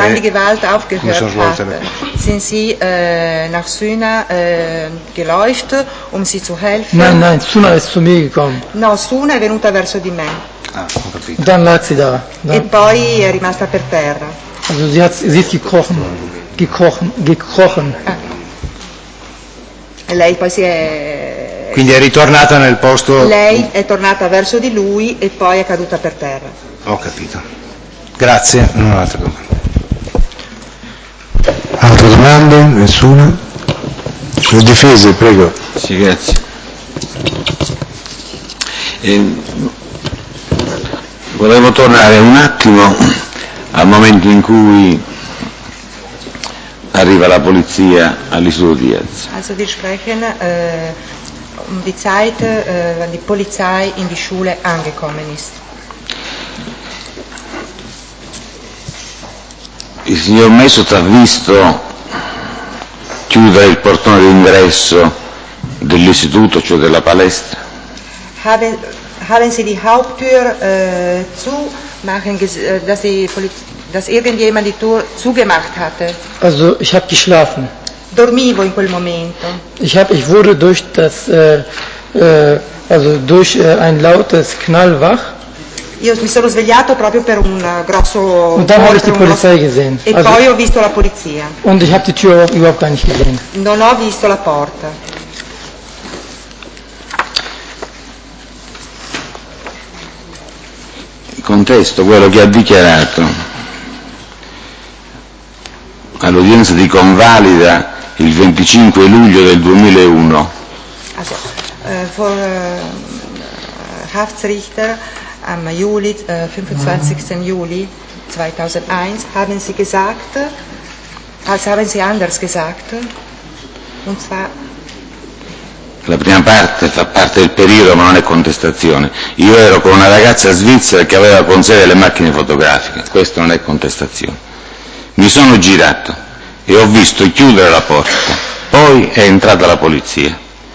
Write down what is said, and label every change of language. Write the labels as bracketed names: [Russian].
[German] Van die Gewalt aufgehört hat. Sind sie nach Suna geläuft, um sie zu helfen? Nein, nein, Suna ist zu mir gekommen. [Italian] No, Suna è venuta verso di me. Ah, ho capito. E poi è rimasta per terra. [German] Also sie ist gekrochen. [Italian] E lei poi si è. Quindi è ritornata nel posto. Lei è tornata verso di lui e poi è caduta per terra. Ho capito. Grazie, non ho altre domande. Altre domande? Nessuna? Le difese, prego. Sì, grazie. Volevo tornare un attimo al momento in cui arriva la polizia all'istituto Diaz. [German] Also wir sprechen um die Zeit, wenn die Polizei in die Schule angekommen ist. [Italian] Il signor Messot ha visto chiudere il portone d'ingresso dell'istituto, cioè della palestra? [German] Haben Sie die Haupttür zu machen, dass die Polizei, dass irgendjemand die Tür zugemacht hatte? Also, ich habe geschlafen. [Italian] Dormivo in quel momento. [German] Ich wurde durch das also durch ein lautes Knall wach. [Italian] Io mi sono svegliato proprio per un grosso. [German] Und dann habe ich die Polizei gesehen. [Italian] E also, poi ho visto la polizia. [German] Und ich habe die Tür überhaupt gar nicht gesehen. [Italian] Non ho visto la porta. contesto quello che ha dichiarato all'udienza di convalida il 25 luglio del 2001. [German] Also, vor Haftrichter am Juli 25. Juli 2001 haben Sie gesagt, als haben Sie anders gesagt, und zwar. [Italian] La prima parte fa parte del periodo, ma non è contestazione. Io ero con una ragazza svizzera che aveva con sé delle macchine fotografiche. Questo non è contestazione. Mi sono girato e ho visto chiudere la porta. Poi è entrata la polizia.